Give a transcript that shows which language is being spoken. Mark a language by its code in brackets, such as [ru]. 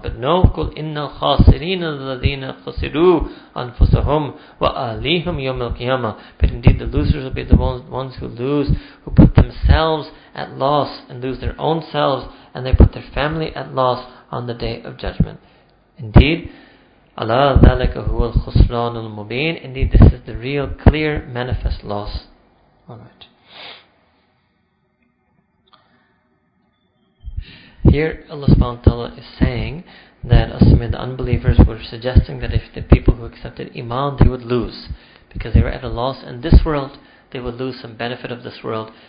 [en] But no, [ar] قُلْ إِنَّ الْخَاسِرِينَ الَّذِينَ خَسِرُوا أَنفُسَهُمْ وَأَهْلِيهِمْ يَوْمَ الْقِيَامَةِ. [en] But indeed, the losers will be the ones who lose, who put themselves at loss and lose their own selves, and they put their family at loss on the Day of Judgment. Indeed, Allah [ar] ذَلَكَ هُوَ الْخُسْرَانُ الْمُبِينَ. [en] Indeed, this is the real, clear, manifest loss. Alright. Here, Allah subhanahu wa ta'ala is saying that Asmid, the unbelievers, were suggesting that if the people who accepted Iman, they would lose, because they were at a loss in this world, they would lose some benefit of this world.